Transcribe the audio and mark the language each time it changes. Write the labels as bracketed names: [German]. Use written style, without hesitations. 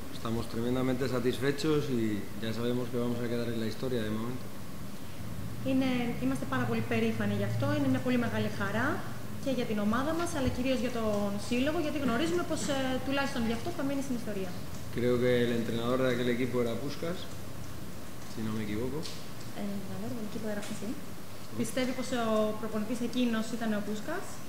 [Spanish] Estamos tremendamente satisfechos y ya sabemos que vamos a quedar en la historia de momento. [Greek] Είμαστε πάρα πολύ περήφανοι γι' αυτό. Είναι μια πολύ μεγάλη χαρά και για την ομάδα μας, αλλά κυρίως για τον σύλλογο, γιατί γνωρίζουμε πως τουλάχιστον γι' αυτό θα μείνει στην ιστορία. [Spanish] Creo que el entrenador de aquel equipo era Puskas, si no me equivoco. Entrenador del equipo era Puskas. [Greek] Πιστεύει πως ο προπονητής εκείνος ήταν ο Puskas.